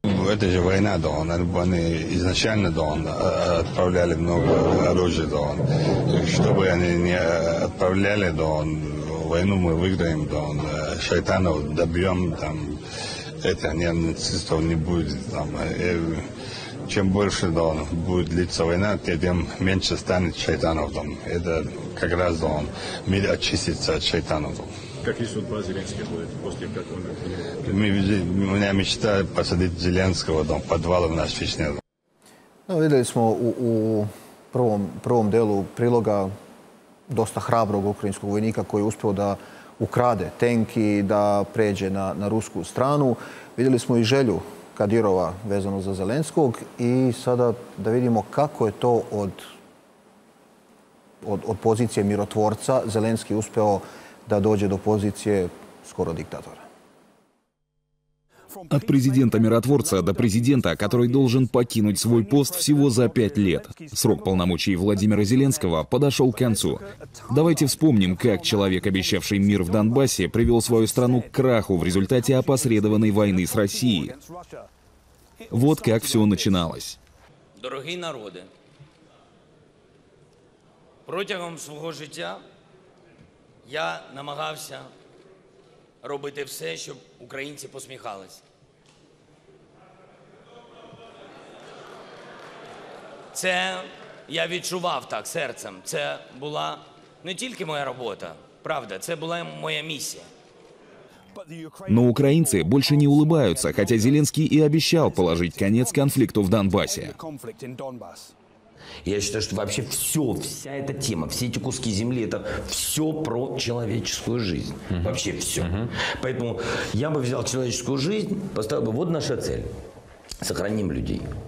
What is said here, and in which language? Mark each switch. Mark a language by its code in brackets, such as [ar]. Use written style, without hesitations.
[ru] Это же война, да, они изначально, да, отправляли много оружия, да, чтобы они не отправляли, да, войну мы выиграем, да, шайтанов добьем, там, это, не, нацистов не будет, там, чем больше, да, будет длиться война, тем меньше станет шайтанов, да, это как раз, да, мир очистится от шайтанов, да. Какие судьбы Зеленский будет после как он? У меня мечта посадить Зеленского дом, подвал в наш Чечне. [sr] Ну, видели смо у првом делу прилога доста храброго украинского војника који успео да украде тенки и да пређе на руску страну. Видели смо и желју Кадирова везано за Зеленског и сада да видимо како је то од позиције миротворца Зеленски успео да дойде до позиции скоро диктатора. [ru] От президента-миротворца до президента, который должен покинуть свой пост всего за 5 лет. Срок полномочий Владимира Зеленского подошел к концу. Давайте вспомним, как человек, обещавший мир в Донбассе, привел свою страну к краху в результате опосредованной войны с Россией. Вот как все начиналось. Дорогие народы, [uk] протягом своего життя я намагався робити все, щоб українці посміхались. Це я відчував так серцем. Це була не тільки моя робота, правда, це була моя місія. [ru] Но украинцы больше не улыбаются, хотя Зеленский и обещал положить конец конфликту в Донбассе. Я считаю, что вообще все, вся эта тема, все эти куски земли, это все про человеческую жизнь. Uh-huh. Вообще все. Uh-huh. Поэтому я бы взял человеческую жизнь, поставил бы, вот наша цель. Сохраним людей.